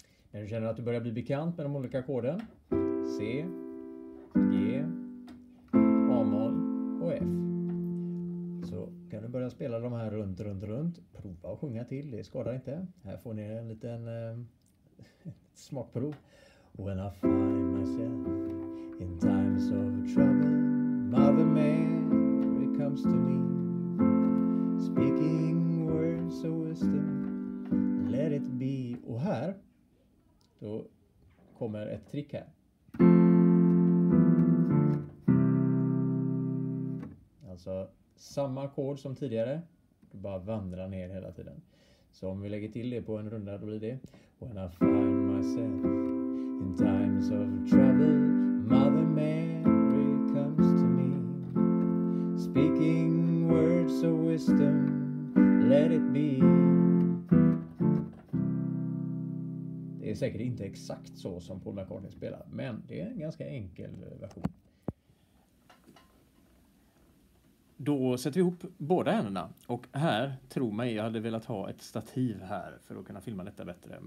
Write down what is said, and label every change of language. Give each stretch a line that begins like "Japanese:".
Swedish: När du känner att du börjar bli bekant med de olika ackorden. C, G, A-moll och F. Så kan du börja spela de här runt, runt, runt. Prova att sjunga till, det skadar inte. Här får ni en liten smakprov.
English: When I find myself in times of trouble, Mother Mary comes to me, speaking words of wisdom, Let It Be.
Swedish: Och här, då kommer ett trick här. Alltså samma ackord som tidigare. Du bara vandrar ner hela tiden. Så om vi lägger till det på en runda, då blir det.
English: When I find myself in times of trouble, Mother Mary comes to me, speaking words of wisdom, Let It Be.
Swedish: Det är säkert inte exakt så som Paul McCartney spelar, men det är en ganska enkel version. Då sätter vi ihop båda händerna. Och här, tro mig, jag hade velat ha ett stativ här för att kunna filma detta bättre.